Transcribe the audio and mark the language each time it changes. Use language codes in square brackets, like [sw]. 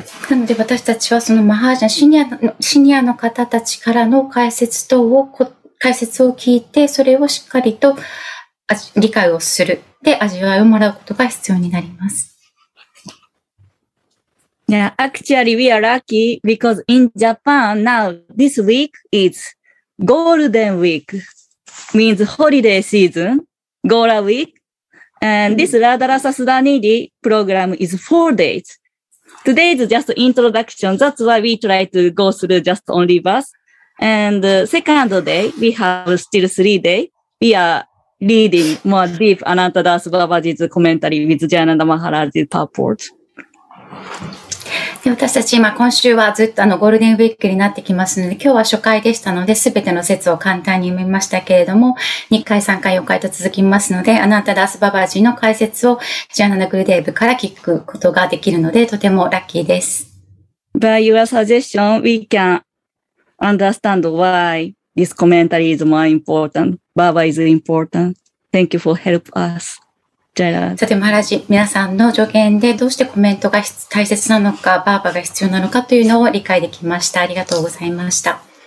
[ja] なので私たちはそのマハージャン、シニアの方たちからの解説等を、解説を聞いて、それをしっかりと理解をする。で、味わいをもらうことが必要になります。 [en] Yeah, actually, we are lucky because in Japan now, this week is Golden Week, means holiday season, Gola Week, and this Radarasa Sudaniri program is 4 days. Today is just introduction. That's why we try to go through just only verse. And second day, we have still 3 days. We are reading more deep Ananta Das Babaji's commentary with Jayananda Maharaj's purport. [ja] 私たち今今週はずっとあのゴールデンウィークになってきますので、今日は初回でしたので、すべての説を簡単に読みましたけれども、2回、3回、4回と続きますので、アナタダースババージの解説をジャーナナグルデーブから聞くことができるので、とてもラッキーです。 [en] By your suggestion, we can understand why this commentary is more important. Baba is important. Thank you for help us. [ja] さて、マハラジ、皆さんの助言でどうしてコメントが大切なのか、バーバが必要なのかというのを理解できました。ありがとうございました。